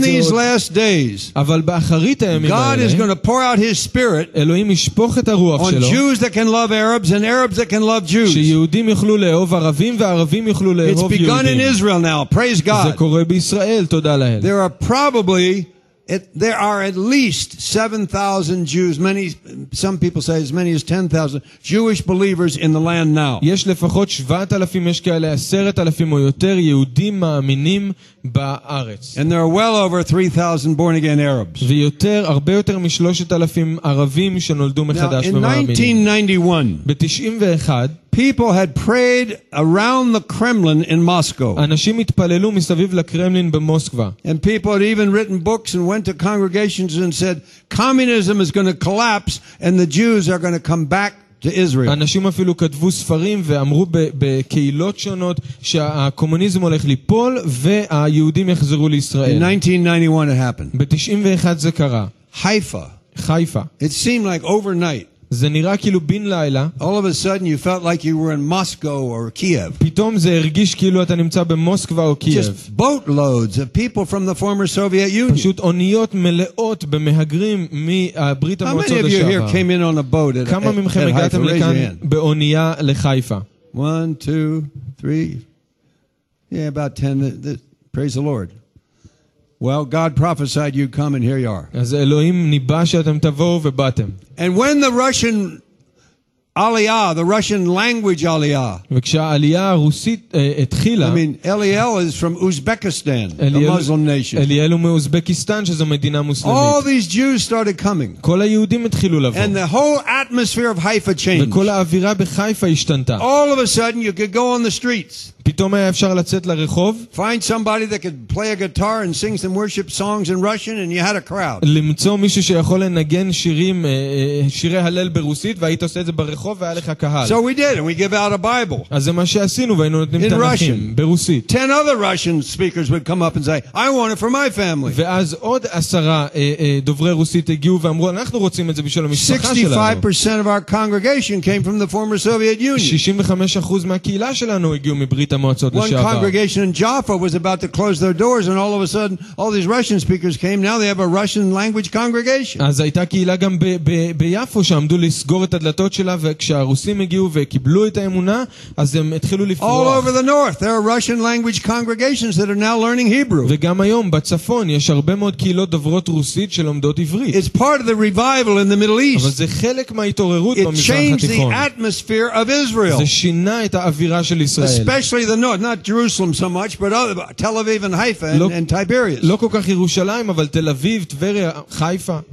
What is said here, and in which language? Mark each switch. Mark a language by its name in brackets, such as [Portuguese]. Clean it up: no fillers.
[Hebrew] זה. [English] In these last days. [Hebrew] אבל באחרית הימים האלה. [English] God is going to pour out his spirit. [Hebrew] אלוהים ישפוך את הרוח שלו. [English] On Jews that can love Arabs and Arabs that can love Jews. [Hebrew] שיהודים יוכלו לאהוב ערבים וערבים יוכלו לאהוב יהודים. [English] It's begun in Israel now. Praise God. [Hebrew] זה קורה בישראל, תודה לאל. [English] There are probably there are at least 7000 Jews, some people say as many as 10000 Jewish believers in the land now. [Hebrew] יש לפחות 7000 יש כאלה 10000 או יותר יהודים מאמינים בארץ. [English] And there are well over 3000 born again Arabs. [Hebrew] ויותר הרבה יותר מ 3000 ערבים שנולדו מחדש ומאמינים. ב-91 [English] people had prayed around the Kremlin in Moscow. [Hebrew] אנשים התפללו מסביב לקרמלין במוסקבה. [English] And people had even written books and went to congregations and said communism is going to collapse and the Jews are going to come back to Israel. [Hebrew] אנשים אפילו כתבו ספרים ואמרו בקהילות שונות שהקומוניזם הולך ליפול והיהודים יחזרו לישראל. [English] In 1991 it happened. [Hebrew] ב-91 זה קרה. [English] Haifa. It seemed like overnight. [Hebrew] זה נראה כאילו בין לילה. [English] All of a sudden you felt like you were in Moscow or Kiev. [Hebrew] פתאום זה הרגיש כאילו אתה נמצא במוסקבה או קייב. [English] Just boatloads of people from the former Soviet Union. [Hebrew] פשוט אוניות מלאות במהגרים מברית המועצות לשעבר. [English] How many of you here came in on a boat at Haifa? [Hebrew] כמה מכם הגעתם לכאן באונייה לחיפה? [English] 1, 2, 3. Yeah, about 10. Praise the Lord. Well, God prophesied you'd come and here you are. [Hebrew] אז אלוהים ניבא שאתם תבואו ובאתם. [English] And when the Russian Aliyah, the Russian language Aliyah. [Hebrew] וכשהעלייה הרוסית התחילה. [English] I mean, Eliel is from Uzbekistan, a Muslim nation. [Hebrew] אליאל הוא מאוזבקיסטן, שזו מדינה מוסלמית. [English] All these Jews started coming. [Hebrew] כל היהודים התחילו לבוא. [English] And the whole atmosphere of Haifa changed. [Hebrew] וכל האווירה בחיפה השתנתה. [English] All of a sudden you could go on the streets. [Hebrew] פתאום היה אפשר לצאת לרחוב. [English] Find somebody that could play a guitar and sing some worship songs in Russian and you had a crowd. [Hebrew] למצוא מישהו שיכול לנגן שירים שירי הלל ברוסית והיית עושה את זה ברחוב והיה לך קהל. [English] So we did and we give out a Bible. [Hebrew] אז זה מה שעשינו והיינו נותנים תנכים ברוסית. [English] 10 other Russian speakers would come up and say, I want it for my family. [Hebrew] ואז עוד 10 דוברי רוסית הגיעו ואמרו אנחנו רוצים את זה בשביל המשפחה שלנו. [English] 65% of our congregation came from the former Soviet Union. [Hebrew] 65% מהקהילה שלנו הגיעו מברית [English] One congregation in Jaffa was about to close their doors and all of a sudden all these Russian speakers came now they have a Russian language congregation. [Hebrew] אז הייתה קהילה גם ביפו שעמדו לסגור את הדלתות שלה וכשהרוסים הגיעו וקיבלו את האמונה אז הם התחילו לפרוח. [English] All over the north there are Russian language congregations that are now learning Hebrew. [Hebrew] וגם היום בצפון יש הרבה מאוד קהילות דוברות רוסית שלומדות עברית. [English] It's part of the revival in the Middle East. [Hebrew] אבל זה חלק מההתעוררות במזרח התיכון. [English] It changed the atmosphere of Israel. [Hebrew] זה שינה את האווירה של ישראל. [English] Actually the north not Jerusalem so much but Tel Aviv and Haifa and Tiberias [Hebrew] לא כל כך ירושלים אבל תל אביב טבריה חיפה